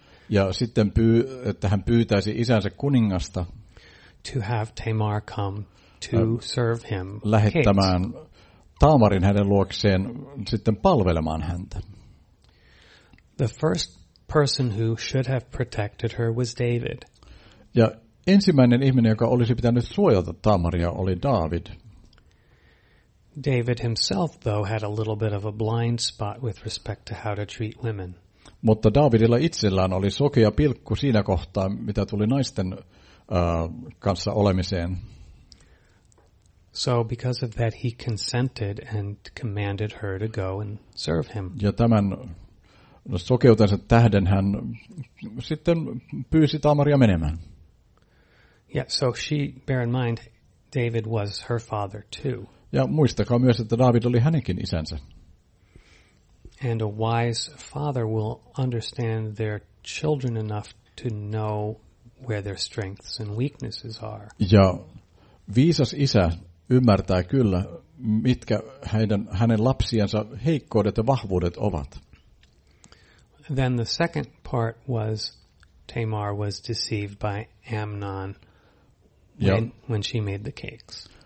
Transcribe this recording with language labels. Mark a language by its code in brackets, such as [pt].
[fi] Ja sitten että hän pyytäisi isänsä kuningasta. [en] To have Tamar come to serve him. [fi] Lähettämään Taamarin hänen luokseen sitten palvelemaan häntä. [en] The first person who should have protected her was David. [fi] Ja ensimmäinen ihminen, joka olisi pitänyt suojata Taamaria, oli David. [en] David himself though had a little bit of a blind spot with respect to how to treat women. [fi] Mutta Davidilla itsellään oli sokea pilkku siinä kohtaa, mitä tuli naisten kanssa olemiseen. [en] So because of that he consented and commanded her to go and serve him. [fi] Ja tämän sokeutensa tähden hän sitten pyysi Taamaria menemään. [en] Yeah, so she, bear in mind, David was her father too. [fi] Ja muistakaa myös, että David oli hänenkin isänsä. [en] And a wise father will understand their children enough to know where their strengths and weaknesses are. [fi] Ja viisas isä ymmärtää kyllä, mitkä hänen lapsiensa heikkoudet ja vahvuudet ovat. [en] Then the second part was Tamar was deceived by Amnon when she made the cakes.